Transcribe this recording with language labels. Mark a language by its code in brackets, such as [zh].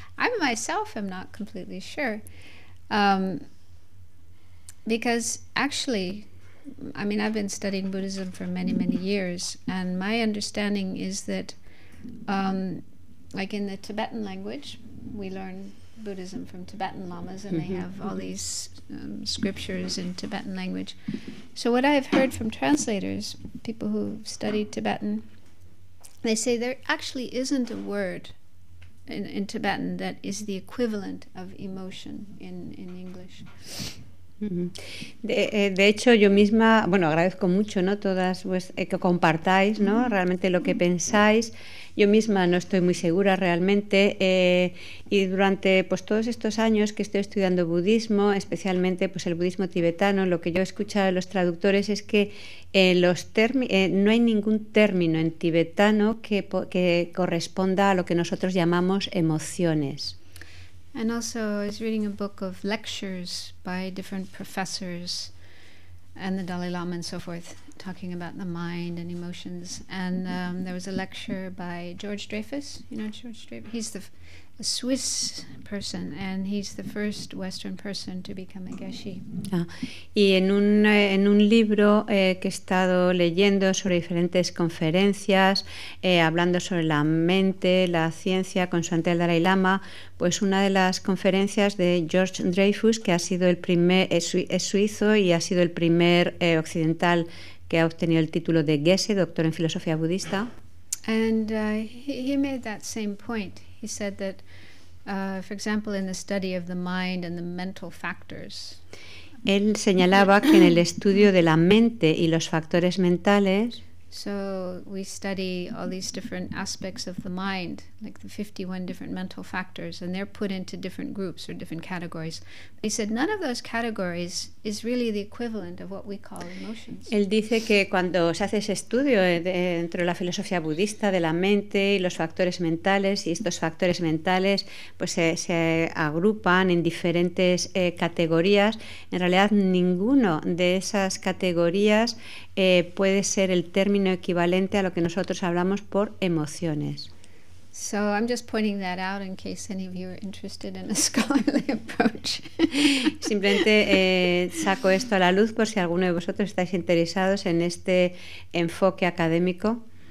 [en] I myself am not completely sure, because actually, I mean, I've been studying Buddhism for many years, and my understanding is that, like in the Tibetan language, we learn Buddhism from Tibetan lamas, and they have all these scriptures in Tibetan language. So what I've heard from translators, people who've studied Tibetan, they say there actually isn't a word in Tibetan that is the equivalent of emotion in English. [es] De hecho, yo misma, bueno, agradezco mucho, ¿no?, todas que compartáis, ¿no?, realmente lo que pensáis. Yo misma no estoy muy segura realmente, y durante pues todos estos años que estoy estudiando budismo, especialmente pues el budismo tibetano, lo que yo he escuchado de los traductores es que no hay ningún término en tibetano que corresponda a lo que nosotros llamamos emociones. [en] And also, I was reading a book of lectures by different professors and the Dalai Lama and so forth, talking about the mind and emotions. And there was a lecture by George Dreyfus. You know George Dreyfus? He's a Swiss person, and he's the first Western person to become a Geshe. [es] Ah, y en un libro que he estado leyendo sobre diferentes conferencias, hablando sobre la mente, la ciencia, con su ante el Dalai Lama, pues una de las conferencias de George Dreyfus, que ha sido el primer, es suizo y ha sido el primer occidental que ha obtenido el título de Geshe, doctor en filosofía budista. [en] And he made that same point. He said that, for example, in the study of the mind and the mental factors. [es] Él señalaba que en el estudio de la mente y los factores mentales. [en] So we study all these different aspects of the mind, like the 51 different mental factors, and they're put into different groups or different categories. He said none of those categories is really the equivalent of what we call emotions. [es] Él dice que cuando se hace ese estudio dentro de la filosofía budista de la mente y los factores mentales, y estos factores mentales pues se agrupan en diferentes categorías, en realidad ninguno de esas categorías puede ser el término equivalente a lo que nosotros hablamos por emociones. [en] So I'm just pointing that out in case any of you are interested in a scholarly approach. [es] Simplemente saco esto a la luz por si alguno de vosotros estáis interesados en este enfoque académico.